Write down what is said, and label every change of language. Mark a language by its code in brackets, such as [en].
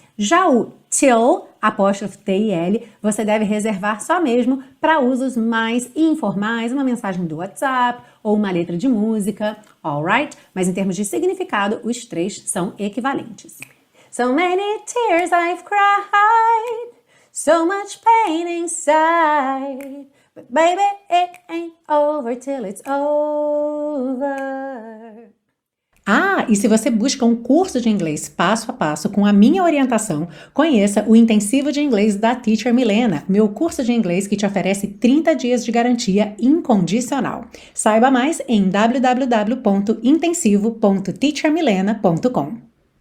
[pt] Já o till, apóstrofo T-I-L, você deve reservar só mesmo para usos mais informais, uma mensagem do WhatsApp ou uma letra de música, alright? Mas em termos de significado, os três são equivalentes. [en] So many tears I've cried. So much pain inside, but baby, it ain't over till it's over. [pt] Ah, e se você busca um curso de inglês passo a passo com a minha orientação, conheça o Intensivo de Inglês da Teacher Milena, meu curso de inglês que te oferece 30 dias de garantia incondicional. Saiba mais em www.intensivo.teachermilena.com.